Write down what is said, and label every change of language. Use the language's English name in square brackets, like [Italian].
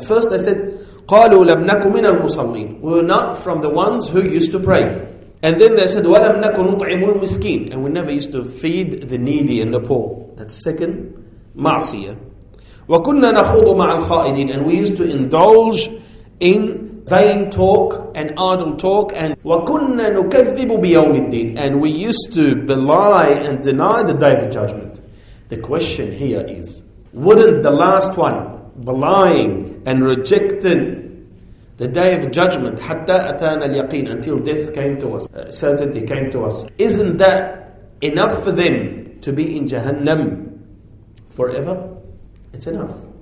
[English] First they said, [Arabic] قَالُوا لَمْ نَكُ مِنَ الْمُصَلِّينَ. [English] We were not from the ones who used to pray. And then they said, [Arabic] وَلَمْ نَكُ نُطْعِمُ الْمِسْكِينَ. [English] And we never used to feed the needy and the poor. That's second ma'asiyah. [Arabic] وَكُنَّا نَخُوضُ مَعَ الْخَائِدِينَ. [English] And we used to indulge in vain talk and idle talk. And [Arabic] وَكُنَّا نُكَذِّبُ بِيَوْمِ الدِّينَ. [English] And we used to belie and deny the day of judgment. The question here is, wouldn't the last one belying and rejecting the day of judgment, [Arabic] hatta atana al-yaqeen, [English] until death came to us, certainty came to us, isn't that enough for them to be in Jahannam forever? It's enough.